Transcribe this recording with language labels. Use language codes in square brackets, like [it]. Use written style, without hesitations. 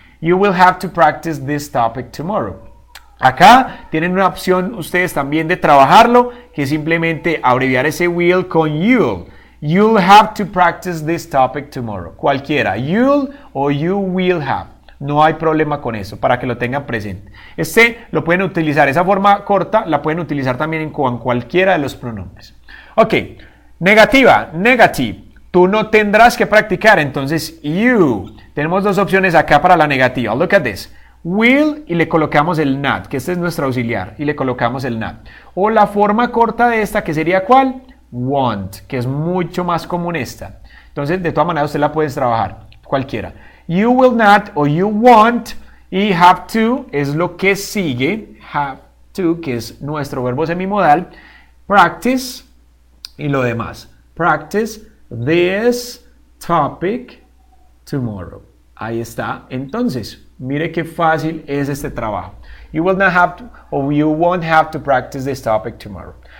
[en] You will have to practice this topic tomorrow. [es] Acá tienen una opción ustedes también de trabajarlo, que es simplemente abreviar ese will con you'll. [en] You'll have to practice this topic tomorrow. [es] Cualquiera. You'll o you will have. No hay problema con eso, para que lo tengan presente. Este lo pueden utilizar, esa forma corta la pueden utilizar también con cualquiera de los pronombres. Ok, negativa, negative. Tú no tendrás que practicar, entonces you. Tenemos dos opciones acá para la negativa. [en] Look at this. [es] Will y le colocamos el not, que este es nuestro auxiliar, y le colocamos el not. O la forma corta de esta, que sería ¿cuál? Want, que es mucho más común esta. Entonces, de todas maneras, usted la puede trabajar, cualquiera. [en] You will not o you won't y have to es lo que sigue. [es] Have to, que es nuestro verbo semimodal. Practice y lo demás. [en] Practice this topic tomorrow. [es] Ahí está. Entonces, mire qué fácil es este trabajo. [en] You will not have to o you won't have to practice this topic tomorrow.